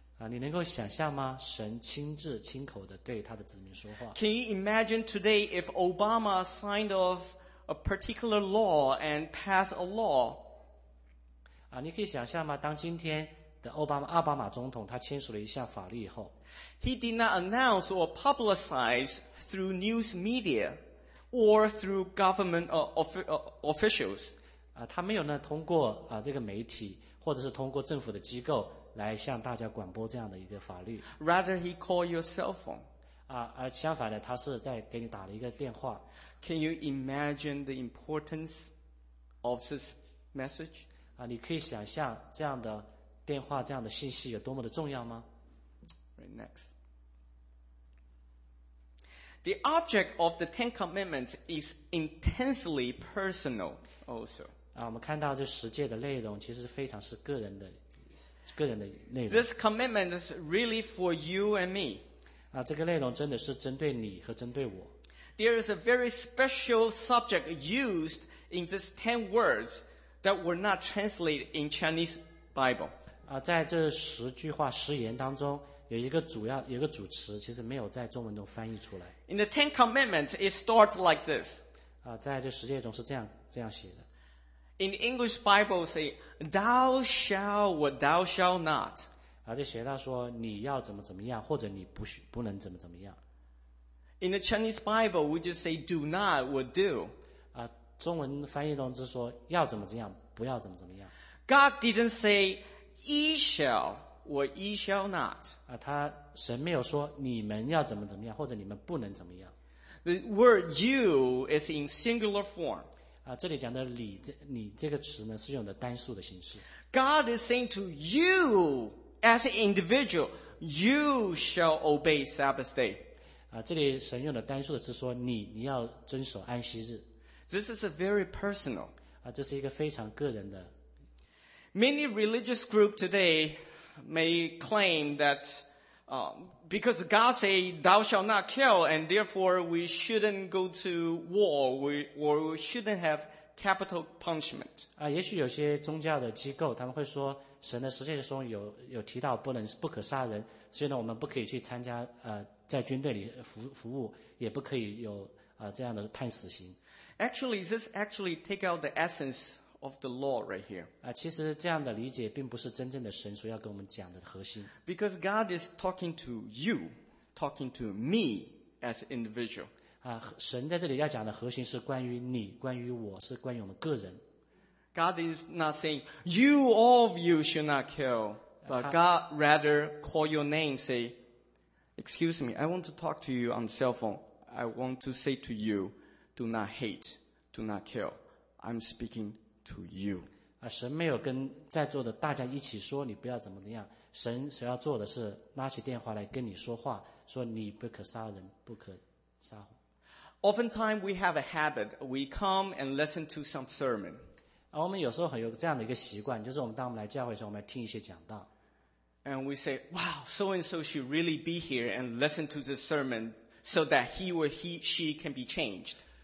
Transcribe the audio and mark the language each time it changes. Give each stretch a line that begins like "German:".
Chinese: 你能够想象吗？神亲自亲口的对他的子民说话。
English: Can you imagine today if Obama signed off a particular law and passed a law?
Chinese: 你可以想象吗？当今天奥巴马总统他签署了一项法律以后
English: He did not announce or publicize through news media or through government officials.
Chinese: 他没有呢通过这个媒体或者是通过政府的机构来向大家广播这样的一个法律。
English: Rather, he called your cell phone.
Chinese: 而相反的，他是在给你打了一个电话。
English: Can you imagine the importance of this message?
Chinese: 你可以想象这样的电话这样的信息有多么的重要吗？
English: Right, next. The object of the Ten Commandments is intensely personal also.
Chinese: 我们看到这十诫的内容其实非常是个人的内容。
English: This commitment is really for you and me.
Chinese: 这个内容真的是针对你和针对我。
English: There is a very special subject used in these 10 words that were not translated in Chinese Bible.
Chinese: 在这十句话十言当中有一个主要有一个主词其实没有在中文中翻译出来。
English: In the Ten Commandments, it starts like this.
Chinese: 在这十诫中是这样写的。
English: In the English Bible, say, thou shall or thou shall not.
Chinese: 这写到说你要怎么怎么样或者你不能怎么怎么样。
English: In the Chinese Bible, we just say do not or do.
Chinese: 中文翻译中是说要怎么怎样，不要怎么怎么样。
English: God didn't say ye shall or ye shall not.
Chinese: 他神没有说你们要怎么怎么样，或者你们不能怎么样。
English: The word you is in singular form.
Chinese: 这里讲的你，你这个词呢是用的单数的形式。
English: God is saying to you as an individual, you shall obey Sabbath day.
Chinese: 这里神用的单数的词说你，你要遵守安息日。
English: This is a very personal.
Chinese: 这是一个非常个人的。
English: Many religious groups today may claim that, because God say thou shalt not kill, and therefore we shouldn't go to war, or we shouldn't have capital punishment.
Chinese: 也许有些宗教的机构他们会说，神的十诫中有提到不可杀人，所以呢，我们不可以去参加在军队里服务，也不可以有这样的判死刑。
English: Actually, this actually take out the essence of the law right here.
Chinese: 其实这样的理解并不是真正的神所要跟我们讲的核心。
English: Because God is talking to you, talking to me as an individual.
Chinese: 神在这里要讲的核心是关于你，关于我，是关于我们个人。
English: God is not saying, you, all of you should not kill, but God rather call your name, say, excuse me, I want to talk to you on the cell phone. I want to say to you,Do not hate, do not kill. I'm speaking to you.
Chinese: 神没有跟在座的大家一起说你不要怎么样。神所要做的是拉起电话来跟你说话，说你不可杀人，不可杀。
English: Oftentimes we have a habit, we come and listen to some sermon.
Chinese: 我们有时候很有这样的一个习惯，就是我们当我们来教会的时候，我们来听一些讲道。
English: And we say, wow, so-and-so should really be here and listen to this sermon so that he or she can be changed.